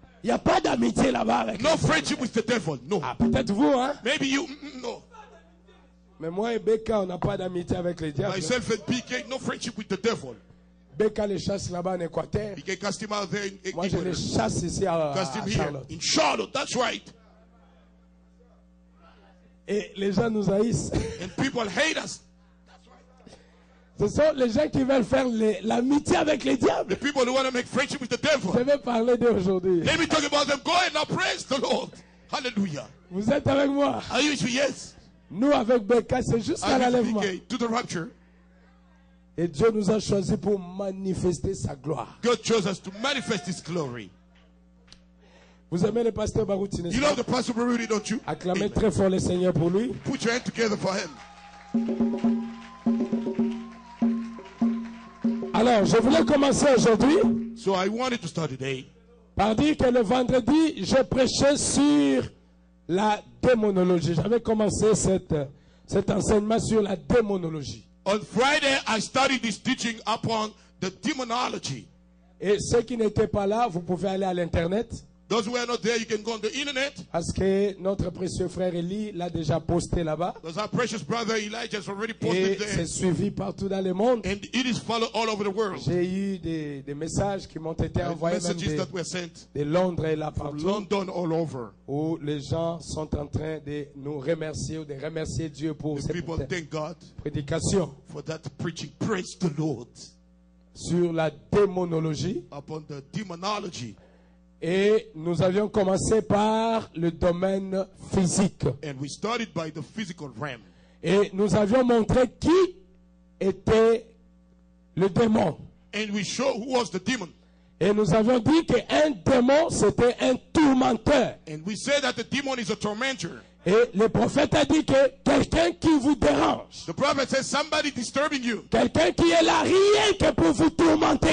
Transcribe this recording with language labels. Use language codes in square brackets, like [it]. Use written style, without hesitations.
[fr] Il y a pas d'amitié là-bas avec. [en] No friendship with the devil. No. [fr] Ah, peut-être vous, hein? [en] Maybe you. No. [fr] Mais moi et Beka, on n'a pas d'amitié avec le diable. [en] Myself and BK, no friendship with the devil. [fr] Beka les chasse là-bas en Équateur. [en] BK cast him out there in Equator. [fr] Moi je les chasse ici à [en] cast him [fr] Charlotte. [en] Here, in Charlotte, that's right. [fr] Et les gens nous haïssent. [en] And people hate us. That's right. [fr] Ce sont les gens qui veulent faire l'amitié avec le diable. [en] The people who want to make friendship with the devil. [fr] Je vais parler d'eux aujourd'hui. [en] Let me talk about them. Go and now praise the Lord. Hallelujah. [fr] Vous êtes avec moi? [en] Are you with me? Yes. [fr] Nous avec Beka, c'est juste à l'enlèvement. [en] To the rapture. [fr] Et Dieu nous a choisis pour manifester sa gloire. [en] God chose us to manifest his glory. [fr] Vous aimez le pasteur Baruti, n'est-ce pas? [en] You love the pastor Baruti, don't you? [fr] Acclamez très fort le Seigneur pour lui. [en] Put your hands together for him. [fr] Alors, je voulais commencer aujourd'hui. [en] So I wanted to start today. [fr] Par dire que le vendredi, je prêchais sur la démonologie. J'avais commencé cet enseignement sur la démonologie. [en] On Friday, I started this teaching upon the demonology. [fr] Et ceux qui n'étaient pas là, vous pouvez aller à l'internet. [en] Those who are not there, you can go on the internet. [fr] Parce que notre précieux frère Eli l'a déjà posté là-bas. [en] Because our precious brother Elijah has already posted [fr] et [en] there. [fr] C'est suivi partout dans le monde. [en] And it is followed all over the world. [fr] J'ai eu des messages qui m'ont été envoyés de Londres et là partout. [en] From London all over. [fr] Où les gens sont en train de nous remercier ou de remercier Dieu pour [en] the [fr] cette [en] people, thank God [fr] prédication. [en] For that preaching. Praise the Lord. [fr] Sur la démonologie. [en] Upon the demonology. [fr] Et nous avions commencé par le domaine physique. [en] And we started by the physical realm. [fr] Et nous avions montré qui était le démon. [en] And we showed who was the demon. [fr] Et nous avions dit qu'un démon, c'était un tourmenteur. [en] And we said that the demon is a tormentor. [fr] Et le prophète a dit que quelqu'un qui vous dérange. [en] The prophet says somebody disturbing you. [fr] Quelqu'un qui est là rien que pour vous tourmenter.